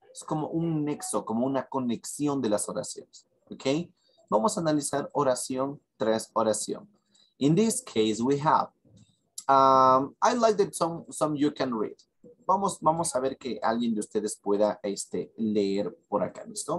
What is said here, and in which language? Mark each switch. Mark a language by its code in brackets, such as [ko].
[es] Es como un nexo, como una conexión de las oraciones. Okay, vamos a analizar oración tras oración. [en] In this case, we have, I like that some you can read. [es] Vamos a ver que alguien de ustedes pueda leer por acá, ¿listo?